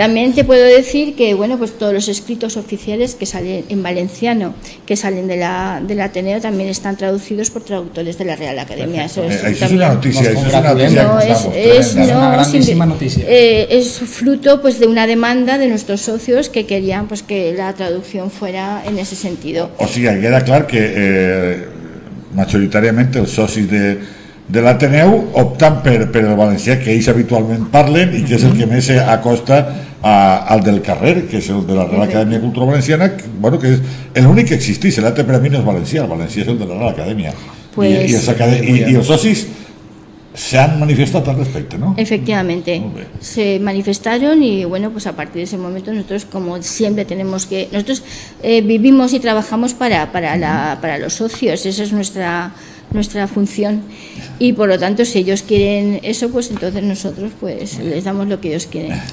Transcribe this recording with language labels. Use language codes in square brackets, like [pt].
[es] También te puedo decir que bueno, pues todos los escritos oficiales que salen en valenciano, que salen del Ateneo, también están traducidos por traductores de la Real Academia. Eso es una noticia, es una grandísima noticia. Es fruto pues de una demanda de nuestros socios que querían pues que la traducción fuera en ese sentido. O sea, queda claro que mayoritariamente los socios de [ca] l'Ateneu optan per el valencià, que ells habitualment parlen i que és el que més acosta al del carrer, que és el de la Real Academia de Cultura Valenciana, que, bueno, que és l'únic que existeix. L'altre per a mi no és valencià, el valencià és el de la Real Academia. [es] Pues, [ca] I els socis [es] se han manifestado al respecto, ¿no? Efectivamente, se manifestaron y bueno, pues a partir de ese momento nosotros, como siempre, tenemos que nosotros vivimos y trabajamos para los socios. Esa es nuestra función y por lo tanto si ellos quieren eso, pues entonces nosotros pues les damos lo que ellos quieren.